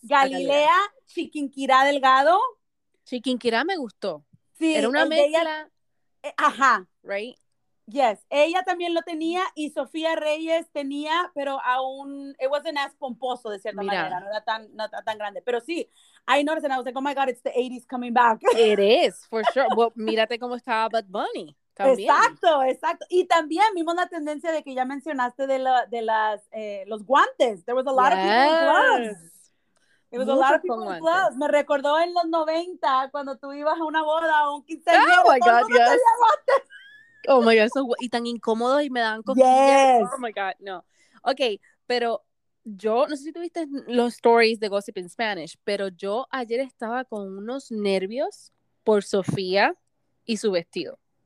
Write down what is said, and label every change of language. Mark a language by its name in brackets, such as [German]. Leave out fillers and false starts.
[Spanish] Galilea, Chiquinquirá Delgado. Chiquinquirá me gustó. Sí. Era una mezcla. Ajá. [English] Right? [Spanish] Yes, ella también lo tenía y Sofía Reyes tenía, pero aún, [English] it wasn't as [Spanish] pomposo de cierta manera, no era tan grande. Pero sí, [English] I noticed and I was like, oh my God, it's the 80s coming back. It is, for sure. [Spanish] Well, mírate cómo estaba Bad Bunny también. Exacto, exacto. Y también vimos la tendencia de que ya mencionaste los guantes. [English] There was a lot of people in gloves. It was a lot of people in gloves. [Spanish] Me recordó en los 90 cuando tú ibas a una boda o un quinceañero. [English] Oh my God, yes. Oh my God, [Spanish] eso, y tan incómodo y me dan cosquillas. Yes. [English] Oh my God, no. [Spanish] Okay, pero yo, no sé si tuviste los stories de Gossip in Spanish, pero yo ayer estaba con unos nervios por Sofía y su vestido.